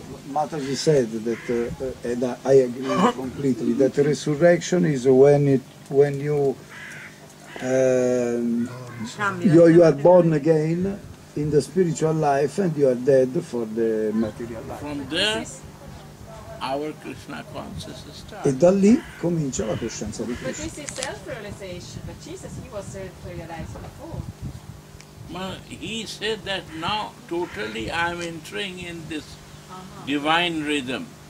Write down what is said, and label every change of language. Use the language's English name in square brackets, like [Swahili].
[English] Mataji said that, and I agree completely, that resurrection is when you are born again in the spiritual life and you are dead for the material life. From there, our Krishna consciousness starts. [Italian] E da lì comincia la coscienza di Krishna. [English] But this is self-realization, but Jesus, he was self-realized before. He said that now totally I am entering in this divine rhythm.